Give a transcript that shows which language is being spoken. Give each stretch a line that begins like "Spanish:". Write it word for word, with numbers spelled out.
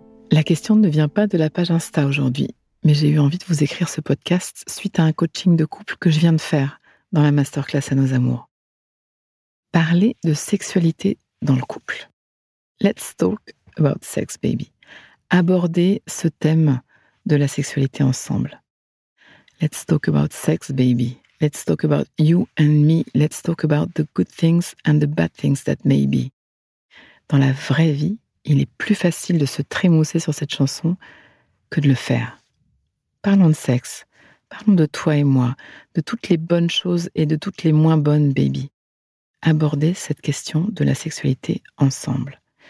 French: La question ne vient pas de la page Insta aujourd'hui, mais j'ai eu envie de vous écrire ce podcast suite à un coaching de couple que je viens de faire dans la masterclass à nos amours. Parler de sexualité dans le couple.
English: Let's talk about sex, baby.
French: Aborder ce thème de la sexualité ensemble.
English: Let's talk about sex, baby. Let's talk about you and me. Let's talk about the good things and the bad things that may be.
French: Dans la vraie vie, il est plus facile de se trémousser sur cette chanson que de le faire. Parlons de sexe. Parlons de toi et moi, de toutes les bonnes choses et de toutes les moins bonnes, baby. Aborder cette question de la sexualité ensemble.